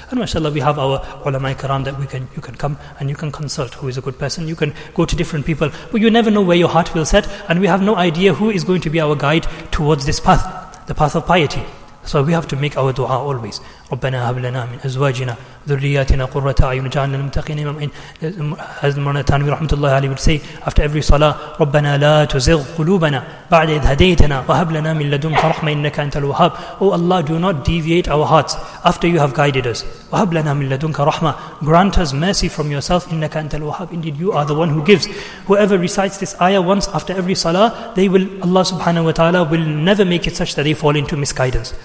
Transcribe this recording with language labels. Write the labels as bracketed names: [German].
[English] And mashallah, we have our ulama-i karam that you can come and you can consult who is a good person. You can go to different people. But you never know where your heart will set. And we have no idea who is going to be our guide towards this path, the path of piety. So we have to make our dua always. [Arabic] رَبَّنَا هَبْ لَنَا مِنْ أَزْوَاجِنَا ذُرِّيَّاتِنَا قُرَّةَ أَعْيُنٍ وَاجْعَلْنَا لِلْمُتَّقِينَ إِمَامًا. [English] Hazrat Mawlana Thanvi rahmatullahi alayhi would say after every salah, [Arabic] رَبَّنَا لَا تُزِغْ قُلُوبَنَا بَعْدَ إِذْ هَدَيْتَنَا وَهَبْ لَنَا مِنْ لَدُنْكَ رَحْمَةً إِنَّكَ أَنْتَ الْوَهَّابُ. [English] Oh Allah, do not deviate our hearts after you have guided us. [Arabic] وَهَبْ لَنَا مِنْ لَدُنْكَ رَحْمَةً, [English] grant us mercy from yourself. [Arabic] إِنَّكَ أَنْتَ الْوَهَّابُ, [English] indeed you are the one who gives. Whoever recites this ayah once after every salah, Allah subhanahu wa ta'ala will never make it such that they fall into misguidance.